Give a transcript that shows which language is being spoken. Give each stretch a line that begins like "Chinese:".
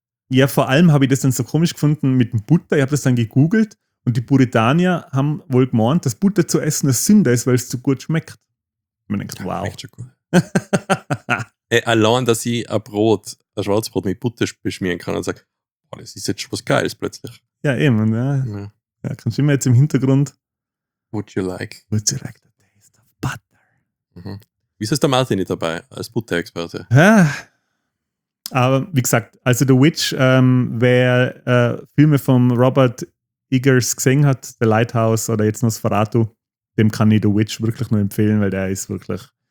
German: Ja, vor allem habe ich das dann so komisch gefunden mit dem Butter. Ich habe das dann gegoogelt und die Buritanier haben wohl gemeint, dass Butter zu essen eine Sünde ist, weil es zu gut schmeckt. Man denkt, wow. Ja, echt schon gut. allein, dass ich ein Brot, ein Schwarzbrot mit Butter beschmieren kann und sage, oh, das ist jetzt schon was Geiles plötzlich. Ja, eben. Ja. Ja. Ja, kannst du immer jetzt im Hintergrund.
English: Would you like the taste of butter? Mhm.
German: Wieso ist der Martin nicht dabei als Butterexperte? Ja. Aber wie gesagt, also The Witch, wer Filme von Robert Eggers gesehen hat, The Lighthouse oder jetzt Nosferatu, dem kann ich The Witch wirklich nur empfehlen, weil der ist wirklich...